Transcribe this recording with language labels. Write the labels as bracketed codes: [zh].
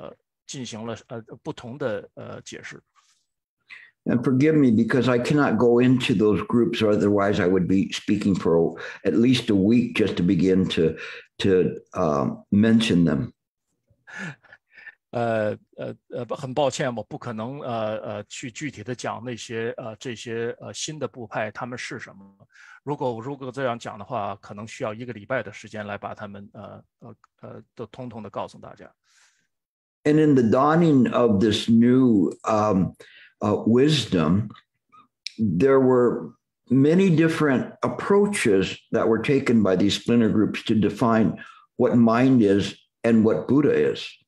[zh] 可能是在公元前一世纪以前，绝对当然肯定是在公元前一世纪左右，有很多的其他的分支的部派开始出现，来对佛法有进行了不同的解释。 [en] And forgive me because I cannot go into those groups, or otherwise I would be speaking for at least a week just to begin to mention them. [zh] 很抱歉，我不可能去具体的讲那些新的部派他们是什么。如果这样讲的话，可能需要一个礼拜的时间来把他们都通通的告诉大家。 [en] And in the dawning of this new wisdom, there were many different approaches that were taken by these splinter groups to define what mind is and what Buddha is.